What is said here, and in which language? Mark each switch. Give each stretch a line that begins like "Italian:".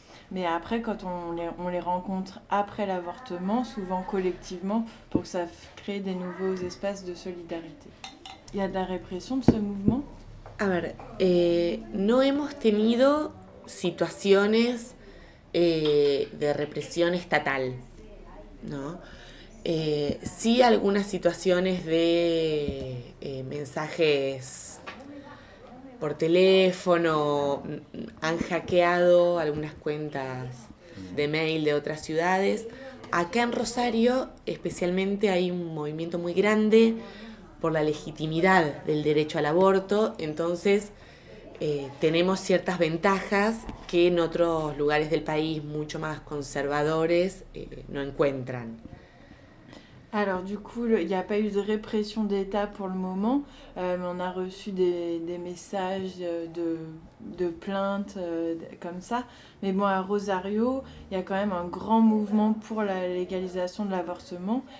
French: Mais après, quand on les rencontre après l'avortement, souvent collectivement, pour que ça crée des nouveaux espaces de solidarité. Il y a de la répression de ce mouvement?
Spanish: A ver, no hemos tenido situaciones de represión estatal, ¿no? Sí algunas situaciones de mensajes por teléfono, han hackeado algunas cuentas de mail de otras ciudades. Acá en Rosario, especialmente, hay un movimiento muy grande por la legitimidad del derecho al aborto, entonces tenemos ciertas ventajas que en otros lugares del país mucho más conservadores no encuentran.
French: Alors, du coup, il n'y a pas eu de répression d'État pour le moment, mais on a reçu des messages de plaintes comme ça. Mais bon, à Rosario, il y a quand même un grand mouvement pour la légalisation de l'avortement.